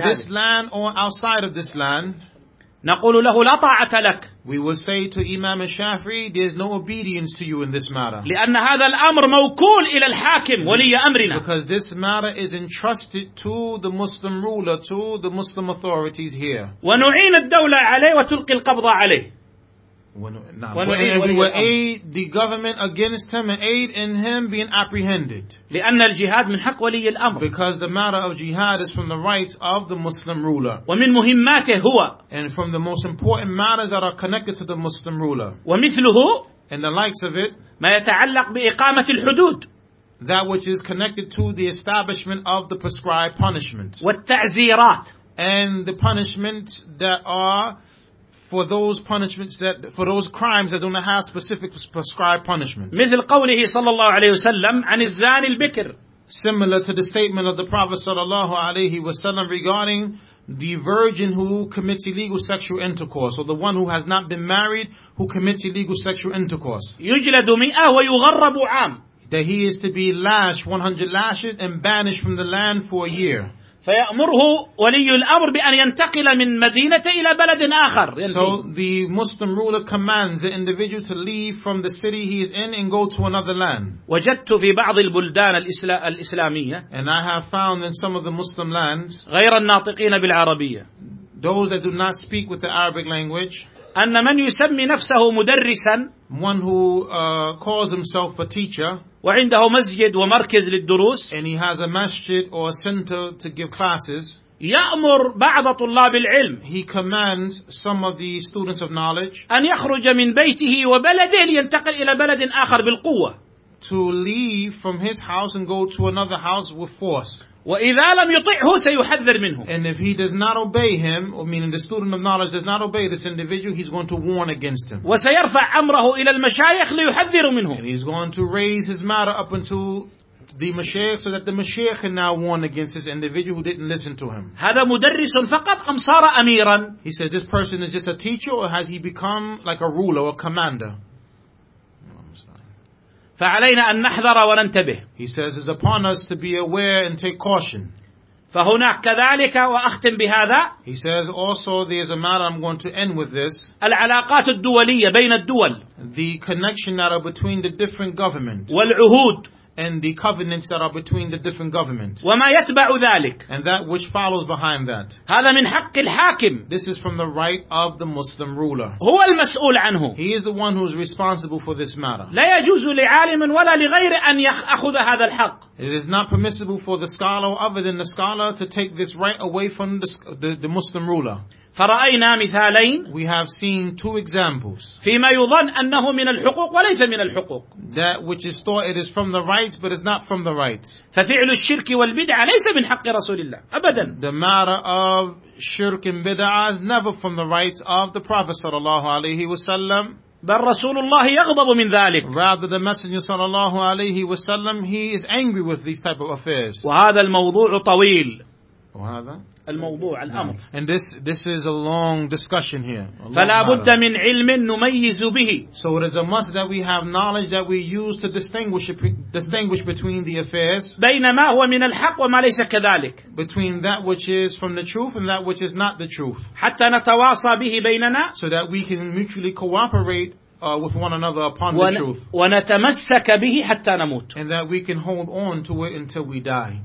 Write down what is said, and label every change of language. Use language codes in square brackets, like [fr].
[en] In this land or outside of this land. [ar] نقول له لا طاعة لك. [en] We will say to Imam al-Shafi'i, there is no obedience to you in this matter. [ar] لأن هذا الأمر موكول إلى الحاكم ولي أمرنا. [en] Because this matter is entrusted to the Muslim ruler, to the Muslim authorities here. [ar] ونعين الدولة عليه وتلقي القبض عليه. [en] We will aid the government against him and aid in him being apprehended. [ar] لأن الجهاد من حق ولي الأمر. [en] Because the matter of jihad is from the rights of the Muslim ruler. [ar] ومن مهماته هو. [en] And from the most important matters that are connected to the Muslim ruler. [ar] ومثله. [en] And the likes of it. [ar] ما يتعلق بإقامة الحدود. [en] That which is connected to the establishment of the prescribed punishment. [ar] والتعزيرات. [en] And the punishments that are for those punishments that for those crimes that do not have specific prescribed punishments. [ar] مثل قوله صلى الله عليه وسلم عن الزاني البكر. [en] Similar to the statement of the Prophet [ar] صلى الله عليه وسلم [en] regarding the virgin who commits illegal sexual intercourse, or the one who has not been married who commits illegal sexual intercourse. [ar] يجلد مئة ويغرب عام. [en] That he is to be lashed 100 lashes and banished from the land for a year. [ar] فيأمره ولي الأمر بأن ينتقل من مدينة إلى بلد آخر. [en] So the Muslim ruler commands the individual to leave from the city he is in and go to another land. [ar] وجدت في بعض البلدان الإسلامية. [en] And I have found in some of the Muslim lands. [ar] غير الناطقين بالعربية. [en] Those that do not speak with the Arabic language. [ar] أن من يسمي نفسه مدرسا. [en] One who calls himself a teacher. [ar] وعنده مسجد ومركز للدروس. [en] And he has a masjid or a center to give classes. [ar] يأمر بعض طلاب العلم. [en] He commands some of the students of knowledge. [ar] أن يخرج من بيته وبلده لينتقل إلى بلد آخر بالقوة. [en] To leave from his house and go to another house with force. [ar] وإذا لم يطعه سيحذر منه. [en] And if he does not obey him, or meaning the student of knowledge does not obey this individual, he's going to warn against him. [ar] وسيرفع أمره إلى المشايخ ليحذر منه. [en] And he's going to raise his matter up into the mashayikh so that the mashayikh can now warn against this individual who didn't listen to him. [ar] هذا مدرس فقط أم صار أميرا؟ [en] He said, this person is just a teacher or has he become like a ruler or a commander? [ar] فعلينا أن نحذر وننتبه. [en] He says it's upon us to be aware and take caution. [ar] فهناك كذلك وأختم بهذا. [en] He says also there's a matter I'm going to end with this. [ar] العلاقات الدولية بين الدول. [en] The connection that are between the different governments. [ar] والعهود. [en] And the covenants that are between the different governments. [ar] وما يتبع ذلك. [en] And that which follows behind that. [ar] هذا من حق الحاكم. [en] This is from the right of the Muslim ruler. [ar] هو المسؤول عنه. [en] He is the one who is responsible for this matter. [ar] لا يجوز لعالم ولا لغير أن يأخذ هذا الحق. [en] It is not permissible for the scholar other than the scholar to take this right away from the Muslim ruler. [ar] فرأينا مثالين. [en] We have seen two examples. [ar] فيما يظن أنه من الحقوق وليس من الحقوق. [en] That which is thought it is from the rights, but it's not from the rights. [ar] ففعل الشرك والبدعة ليس من حق رسول الله أبدا. [en] The matter of shirk and bid'ah is never from the rights of the Prophet [ar] صلى الله عليه وسلم. بل رسول الله يغضب من ذلك. [en] Rather, the Messenger [ar] صلى الله عليه وسلم, [en] he is angry with these type of affairs. [ar] وهذا الموضوع طويل. وهذا. الموضوع الأمر. [en] And this is a long discussion here. [ar] فلا بد من علم نميز به. [en] So it is a must that we have knowledge that we use to distinguish between the affairs. [ar] بين ما هو من الحق وما ليس كذلك. [en] Between that which is from the truth and that which is not the truth. [ar] حتى نتواصى به بيننا. [en] So that we can mutually cooperate with one another upon the truth. [ar] ونتمسك به حتى نموت. [en] And that we can hold on to it until we die.